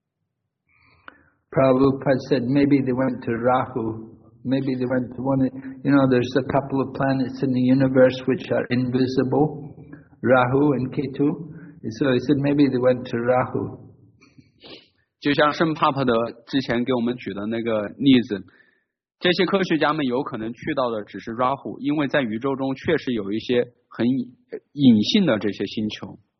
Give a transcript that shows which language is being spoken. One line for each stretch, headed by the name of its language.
Chinese: 但是以一种化学的方式，以一种物质的方式，比如说建立一个太空什么样的东西去，并不是很受欢迎和被认可的。Prabhupada
English: said maybe they went to Rahu. Maybe they went to one, you know, there's a couple of planets in the universe which are invisible, Rahu and Ketu. So he said maybe they went to Rahu.
Chinese: 就像圣帕帕德之前给我们举的那个例子，这些科学家们有可能去到的只是 Rahu， 因为在宇宙中确实有一些很隐性的这些星球。